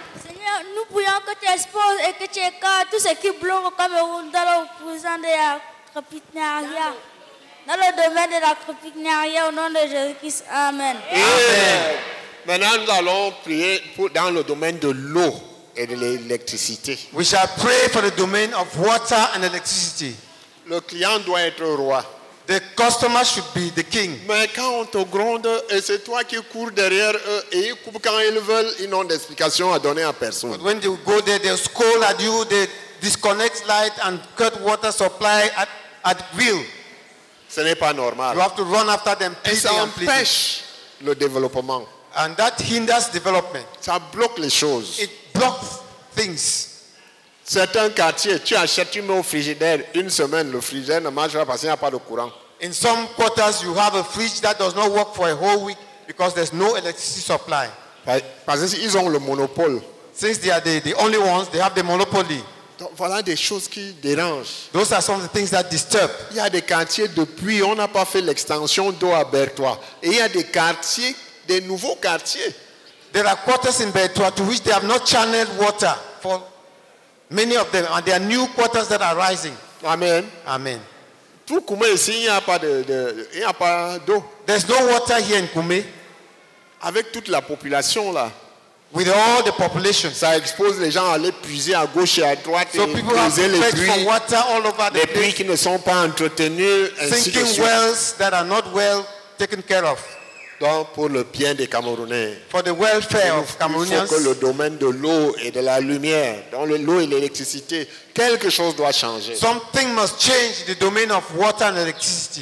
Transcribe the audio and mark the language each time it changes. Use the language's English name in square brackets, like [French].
[French] Seigneur, nous prions que tu exposes et que tu écartes tout ce qui bloque le Cameroun dans le domaine de l'entrepreneuriat. Dans le domaine de l'entrepreneuriat, au nom de Jésus-Christ. Amen. Amen. Maintenant, nous allons prier pour dans le domaine de l'eau et de l'électricité. [English] We shall pray for the domain of water and electricity. [French] Le client doit être roi. [English] The customer should be the king. [French] Mais quand on te gronde et c'est toi qui cours derrière eux et ils coupent quand ils veulent, ils n'ont d'explication à donner à personne. [English] But when you go there, they scold at you, they disconnect light and cut water supply at will. [French] Ce n'est pas normal. [English] You have to run after them. [French] Et ça empêche le développement. [English] And that hinders development. [French] Ça bloque les choses. [English] It blocks things. [French] Certains quartiers, tu achètes, tu mets au frigidaire une semaine, le frigidaire ne marche pas parce qu'il n'y a pas de courant. [English] In some quarters, you have a fridge that does not work for a whole week because there's no electricity supply. [French] Parce qu'ils ont le monopole. [English] Since they are the only ones, they have the monopoly. [French] Donc, voilà des choses qui dérangent. [English] Those are some of the things that disturb. [French] Il y a des quartiers depuis, on n'a pas fait l'extension d'eau à Bertois. Et il y a des quartiers, des nouveaux quartiers. [English] There are quarters in Bertois to which they have not channeled water for many of them, and there are new quarters that are rising. [French] Amen. Amen. Tout Koumé ici, il n'y a pas d'eau. [English] There's no water here in Koumé. [French] Avec toute la population là. [English] With all the population. [French] Ça expose les gens à aller puiser à gauche et à droite. [English] So people have to fetch for water all over the place. [French] Les puits qui ne sont pas entretenus. [English] Sinking wells that are not well taken care of. [French] Donc pour le bien des Camerounais. [English] For the welfare of Cameroonians. [French] Il faut que le domaine de l'eau et de la lumière, dans l'eau et l'électricité, quelque chose doit changer. [English] Something must change the domain of water and electricity.